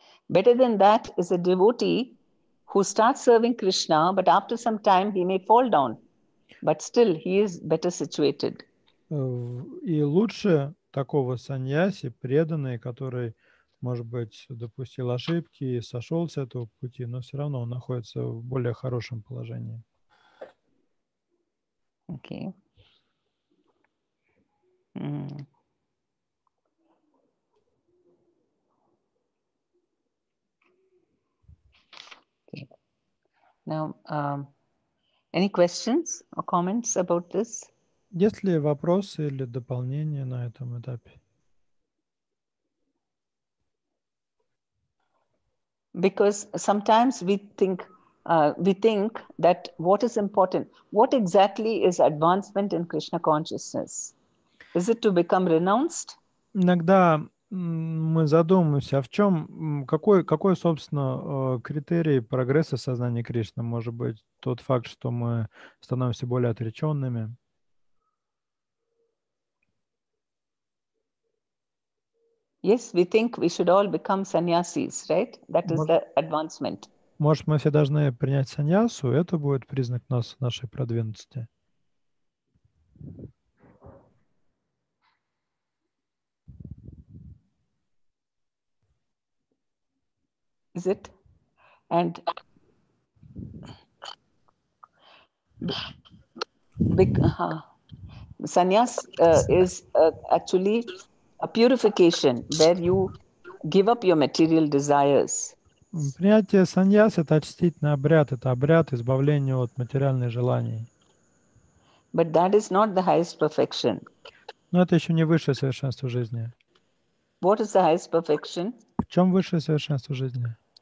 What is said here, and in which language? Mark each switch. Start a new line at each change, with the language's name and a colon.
English: Better than that is a devotee who starts serving Krishna, but after some time he may fall down. But still, he is better situated.
Russian: И лучше такого саньяси, преданный, который... Может быть, допустил ошибки и сошел с этого пути, но все равно он находится в более хорошем положении.
English: Окей. Okay. Mm. Okay. Now, any questions or comments about this?
Russian: Есть ли вопросы или дополнения на этом этапе?
English: Because sometimes we think that what is important, what exactly is advancement in Krishna consciousness? Is it to become renounced?
Russian: Иногда мы задумываемся, а в чем, какой собственно, критерий прогресса сознания Кришны? Может быть, тот факт, что мы становимся более отреченными?
English: Yes, we think we should all become sannyasis, right? That is the advancement.
Russian: Может, мы все должны принять саньясу, это будет признак нас, нашей продвинутости.
English: Is it? And sannyas is actually a purification where you give up your material desires.
Russian: Принятие саньяс — это очистительный обряд, это обряд избавления от материальных желаний.
English: But that is not the highest perfection.
Russian: Но это еще не высшее совершенство жизни.
English: What is the highest perfection?
Russian: В чем высшее совершенство жизни?